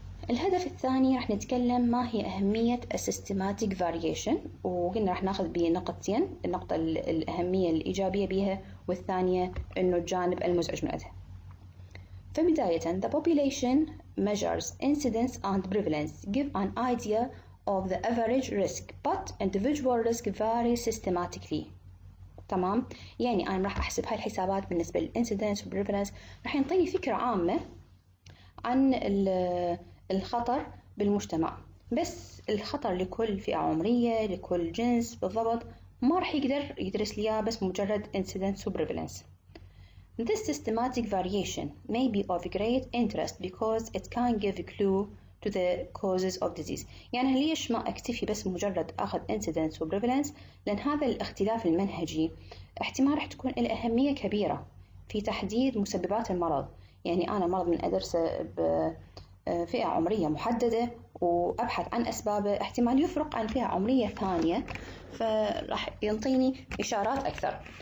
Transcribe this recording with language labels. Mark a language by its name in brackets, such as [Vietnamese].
[Arabic] الهدف الثاني راح نتكلم ما هي أهمية السيستماتيك فاريشن، وقلنا راح ناخذ بيه نقطتين، النقطة الأهمية الإيجابية بيها والثانية إنه الجانب المزعج من أدها. [English] فبداية the population measures incidence and prevalence give an idea of the average risk but individual risk varies systematically. [Arabic] تمام، يعني أنا راح أحسب هاي الحسابات بالنسبة للincidence والprevalence راح ينطيني فكرة عامة عن الخطر بالمجتمع، بس الخطر لكل فئة عمرية لكل جنس بالضبط ما رح يقدر يدرس ليها بس مجرد incidence و prevalence. [English] This systematic variation may be of great interest because it can give a clue to the causes of disease. [Arabic] يعني ليش ما اكتفي بس مجرد اخذ incidence و prevalence؟ لان هذا الاختلاف المنهجي احتمال رح تكون له اهمية كبيرة في تحديد مسببات المرض. يعني انا مرض من ادرسه ب فئة عمرية محددة وأبحث عن أسبابه احتمال يفرق عن فئة عمرية ثانية فراح ينطيني إشارات أكثر.